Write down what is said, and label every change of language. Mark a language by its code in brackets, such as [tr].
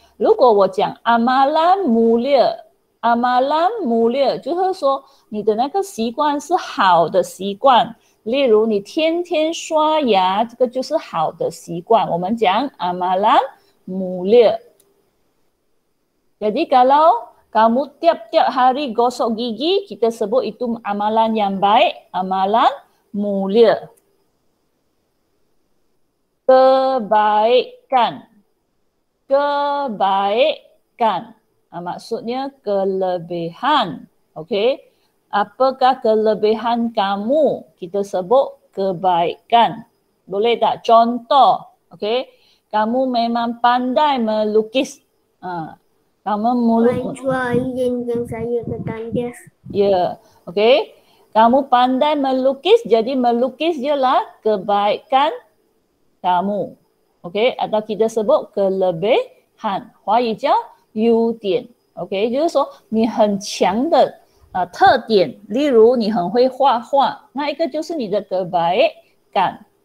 [zh] 如果我讲amalan mulia, amalan mulia 就是说你的那个习惯是好的习惯， 例如你天天刷牙， 这个就是好的习惯， 我们讲amalan mulia. [ms] Jadi kalau kamu tiap-tiap hari gosok gigi, kita sebut itu amalan yang baik, amalan mulia. Kebaikan. Kebaikan. Maksudnya kelebihan. Okey. Apakah kelebihan kamu? Kita sebut kebaikan. Boleh tak? Contoh. Okey. Kamu memang pandai melukis. Kamu melukis. Menjual dinding saya ke tandas. Ya. Okey. Kamu pandai melukis. Jadi melukis je lah kebaikan kamu. Okey. Atau kita sebut kelebihan. [zh] 华语叫优点.Okey. [ms] Jadi so, [zh] 你很强的. 特点, 例如你很会画画, 那一个就是你的kebaikan.